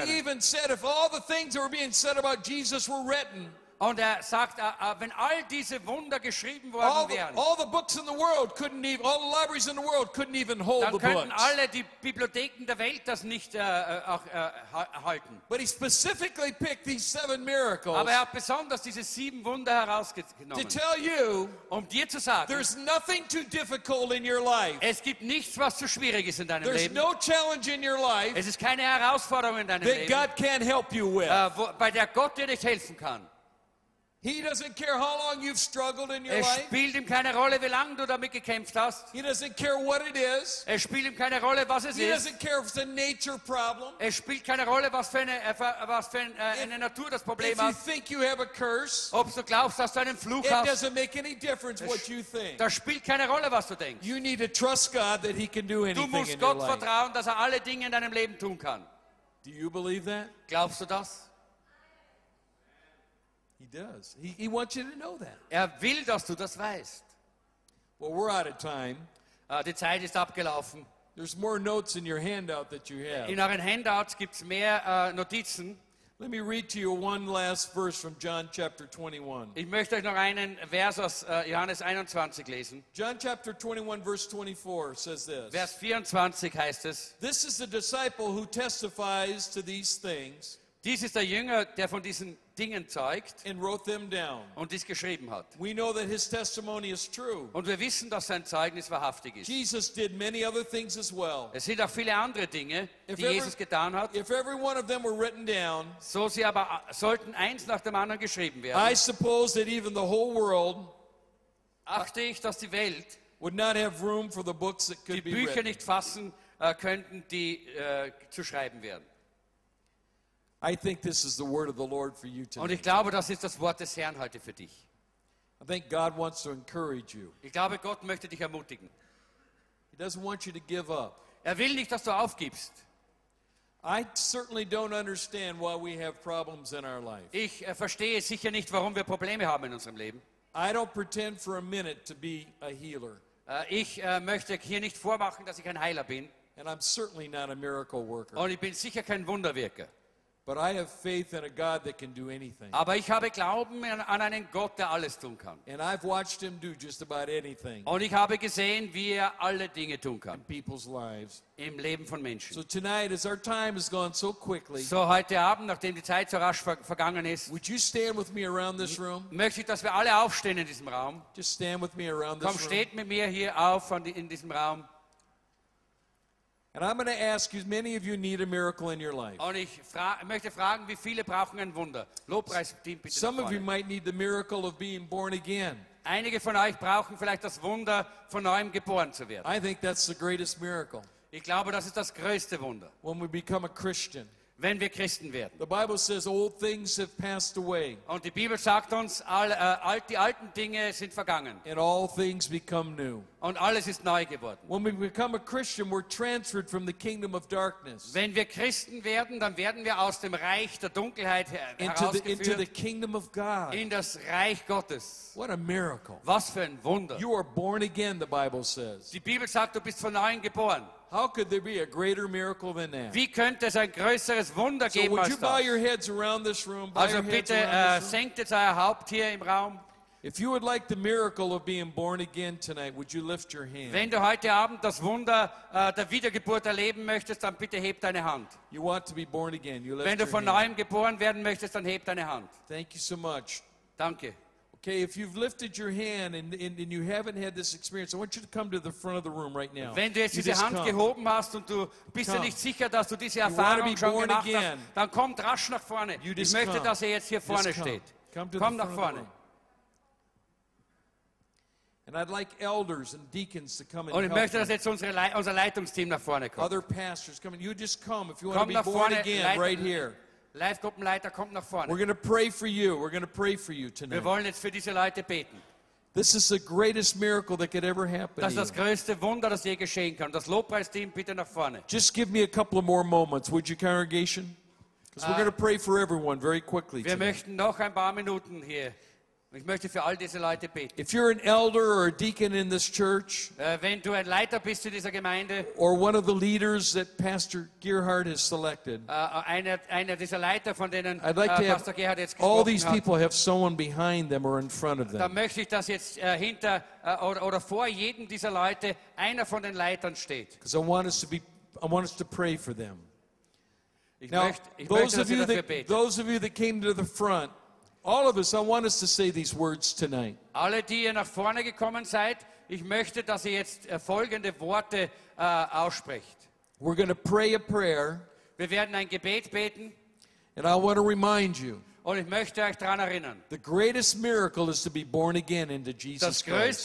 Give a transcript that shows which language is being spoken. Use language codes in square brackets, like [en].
[en] And he even said, if all the things that were being said about Jesus were written. [de] Und er sagt, wenn all diese Wunder geschrieben worden wären, [en] all the books in the world couldn't even, all the libraries in the world couldn't even hold the books. [de] Dann könnten alle die Bibliotheken der Welt das nicht halten. [en] But he specifically picked these seven miracles. [de] Aber er hat besonders diese sieben Wunder herausgenommen. [en] To tell you, [de] um dir zu sagen, [en] there's nothing too difficult in your life. [de] Es gibt nichts, was zu schwierig ist in deinem [en] there's [de] Leben. [en] There's no challenge in your life. [de] Es ist keine Herausforderung in deinem [en] that [de] Leben. [en] That God can't help you with. [de] Bei der Gott dir nicht helfen kann. [en] He doesn't care how long you've struggled in your life. [de] Es spielt ihm keine Rolle, wie lange du damit gekämpft hast. [en] He doesn't care what it is. [de] Es spielt ihm keine Rolle, was es ist. [en] He doesn't care if it's a nature problem. [de] Es spielt keine Rolle, was für eine Natur das Problem hat. [en] If you think you have a curse, [de] ob du glaubst, dass du einen Fluch hast, [en] it doesn't make any difference what you think. [de] Das spielt keine Rolle, was du denkst. [en] You need to trust God that He can do anything in your life. [de] Du musst Gott vertrauen, dass er alle Dinge in deinem Leben tun kann. [en] Do you believe that? [de] Glaubst du das? [en] He does. He wants you to know that. [de] Er will, dass du das weißt. [en] Well, we're out of time. [de] Die Zeit ist abgelaufen. [en] There's more notes in your handout that you have. [de] In euren Handouts gibt's mehr Notizen. [en] Let me read to you one last verse from John chapter 21. [de] Ich möchte euch noch einen Vers aus Johannes 21 lesen. [en] John chapter 21 verse 24 says this. [de] Vers 24 heißt es. [en] This is the disciple who testifies to these things. [de] Dies ist der Jünger, der von diesen Dingen zeigt [en] and wrote them down. [de] Und dies geschrieben hat. [en] We know that his testimony is true. [de] Und wir wissen, dass sein Zeugnis wahrhaftig ist. [en] Jesus did many other things as well. [de] Es sind auch viele andere Dinge, die Jesus getan hat. [en] If every one of them were written down, [de] so sie aber sollten eins nach dem anderen geschrieben werden. [en] I suppose that even the whole world, [de] achte ich, dass die Welt, [en] would not have room for the books that could [de] die Bücher [en] be written. [de] Nicht fassen könnten, die zu schreiben werden. [en] I think this is the word of the Lord for you today. [de] Und ich glaube, das ist das Wort des Herrn heute für dich. [en] I think God wants to encourage you. [de] Ich glaube, Gott möchte dich ermutigen. [en] He doesn't want you to give up. [de] Er will nicht, dass du aufgibst. [en] I certainly don't understand why we have problems in our life. [de] Ich verstehe sicher nicht, warum wir Probleme haben in unserem Leben. [en] I don't pretend for a minute to be a healer. [de] Ich möchte hier nicht vormachen, dass ich ein Heiler bin. [en] And I'm certainly not a miracle worker. [de] Und ich bin sicher kein Wunderwirker. [en] But I have faith in a God that can do anything. [de] Aber ich habe Glauben an einen Gott, der alles tun kann. [en] And I've watched him do just about anything. [de] Und ich habe gesehen, wie er alle Dinge tun kann. [en] In people's lives. [de] Im Leben von Menschen. [en] So tonight, as our time has gone so quickly. [de] So heute Abend, nachdem die Zeit so rasch vergangen ist. [en] Would you stand with me around this room? [de] Möchte ich, dass wir alle aufstehen in diesem Raum? [en] Just stand with me around this room. [de] Komm, steht mit mir hier auf in diesem Raum. [en] And I'm going to ask you, many of you need a miracle in your life. [de] Und ich möchte fragen, wie viele brauchen ein Wunder? Lobpreisteam, bitte. [en] Some of you might need the miracle of being born again. [de] Einige von euch brauchen vielleicht das Wunder, von neuem geboren zu werden. [en] I think that's the greatest miracle. [de] Ich glaube, das ist das größte Wunder. [en] When we become a Christian. [de] Wenn wir Christen werden. [en] The Bible says old things have passed away. [de] Und die Bibel sagt uns, die alten Dinge sind vergangen. [en] And all things become new. [de] Und alles ist neu geworden. [en] When we become a Christian, we're transferred from the kingdom of darkness. [de] Wenn wir Christen werden, dann werden wir aus dem Reich der Dunkelheit herausgeführt. [en] Into the kingdom of God. [de] In das Reich Gottes. [en] What a miracle. [de] Was für ein Wunder. [en] You are born again, the Bible says. [de] Die Bibel sagt, du bist von neuem geboren. [en] How could there be a greater miracle than that? [de] Wie könnte es ein größeres Wunder geben als das? [en] So would you bow your heads around this room? [de] Also bitte senkt jetzt euer Haupt hier im Raum. [en] If you would like the miracle of being born again tonight, would you lift your hand? [de] Wenn du heute Abend das Wunder der Wiedergeburt erleben möchtest, dann bitte heb deine Hand. [en] You want to be born again, you lift your [de] Wenn du von neuem geboren werden möchtest, dann heb deine Hand. [en] Thank you so much. [de] Danke. [en] Okay, if you've lifted your hand and you haven't had this experience, I want you to come to the front of the room right now. [de] Wenn du jetzt diese Hand gehoben hast und du bist dir nicht sicher, dass du diese Erfahrung schon gemacht hast, dann komm rasch nach vorne. Ich möchte, dass er jetzt hier vorne steht. Komm nach vorne. [en] And I'd like elders and deacons to come and help. [de] Und ich möchte, dass jetzt unser Leitungsteam nach vorne kommt. [en] Other pastors come in. You just come if you want to be born again right here. [de] Live-Gruppenleiter, kommt nach vorne. [en] We're going to pray for you. We're going to pray for you tonight. [de] Wir wollen jetzt für diese Leute beten. [en] This is the greatest miracle that could ever happen. [de] Das ist das größte Wunder, das je geschehen kann. Das Lobpreisteam, bitte nach vorne. [en] Just give me a couple of more moments, would you, congregation? Because we're going to pray for everyone very quickly. [de] Wir möchten noch ein paar Minuten hier. Ich möchte für all diese Leute beten. [en] If you're an elder or a deacon in this church, [de] wenn du ein Leiter bist in dieser Gemeinde, [en] or one of the leaders that Pastor Gerhard has selected, [de] einer dieser Leiter, von denen Pastor Gerhard jetzt gesprochen hat, [en] I'd like to have all these people have someone behind them or in front of them. [de] Da möchte ich, dass jetzt hinter oder vor jedem dieser Leute einer von den Leitern steht. [en] Because I want us to pray for them. Now, those of you that came to the front, all of us, I want us to say these words tonight. [de] Alle, die ihr nach vorne gekommen seid, ich möchte, dass ihr jetzt folgende Worte aussprecht. [en] We're going to pray a prayer. [de] Wir werden ein Gebet beten. [en] And I want to remind you. [de] Und ich möchte euch daran erinnern. [en] The greatest miracle is to be born again into Jesus Christ.